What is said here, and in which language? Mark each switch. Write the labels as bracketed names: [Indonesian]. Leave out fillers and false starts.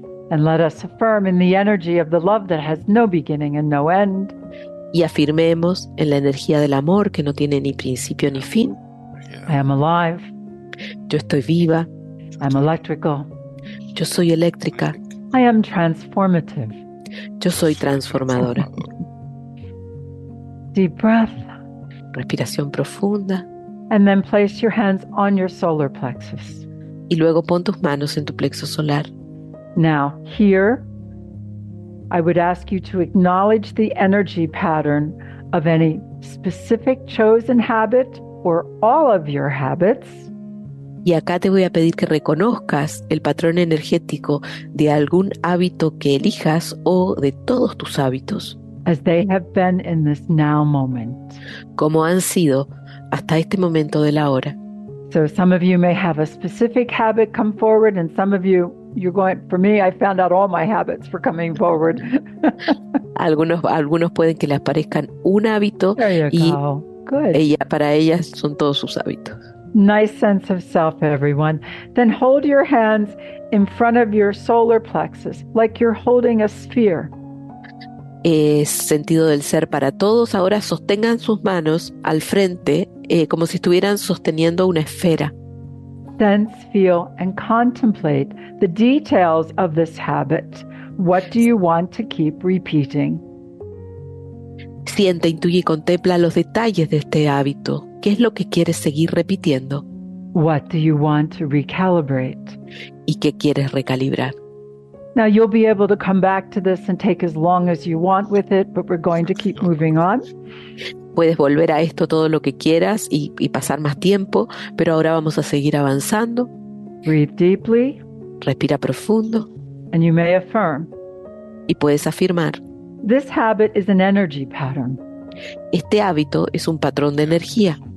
[English] And let us affirm in the energy of the love that has no beginning and no end. [Spanish] Y afirmemos en la energía del amor que no tiene ni principio ni fin. [English] I am alive. [Spanish] Yo estoy viva. [English] I am electrical. [Spanish] Yo soy eléctrica. [English] I am transformative. [Spanish] Yo soy transformadora. [English] Deep breath. [Spanish] Respiración profunda. [English] And then place your hands on your solar plexus. [Spanish] Y luego pon tus manos en tu plexo solar. [English] Now, here, I would ask you to acknowledge the energy pattern of any specific chosen habit or all of your habits. [Spanish] Y acá te voy a pedir que reconozcas el patrón energético de algún hábito que elijas o de todos tus hábitos. [English] As they have been in this now moment. [Spanish] Como han sido hasta este momento de la hora. [English] So some of you may have a specific habit come forward and some of you, you're going, for me, I found out all my habits for coming forward. [Spanish] algunos pueden que les aparezcan un hábito y ella, para ellas son todos sus hábitos. [English] Nice sense of self, everyone. Then hold your hands in front of your solar plexus, like you're holding a sphere. [Spanish] Sentido del ser para todos. Ahora sostengan sus manos al frente, como si estuvieran sosteniendo una esfera. [English] Sense, feel, and contemplate the details of this habit. What do you want to keep repeating? [Spanish] Siente, intuye y contempla los detalles de este hábito. ¿Qué es lo que quieres seguir repitiendo? [English] What do you want to recalibrate? [Spanish] ¿Y qué quieres recalibrar? [English] Now you'll be able to come back to this and take as long as you want with it, but we're going to keep moving on. [Spanish] Puedes volver a esto todo lo que quieras y pasar más tiempo, pero ahora vamos a seguir avanzando. [English] Breathe deeply. [Spanish] Respira profundo. [English] And you may affirm. [Spanish] Y puedes afirmar. [English] This habit is an energy pattern. [Spanish] Este hábito es un patrón de energía.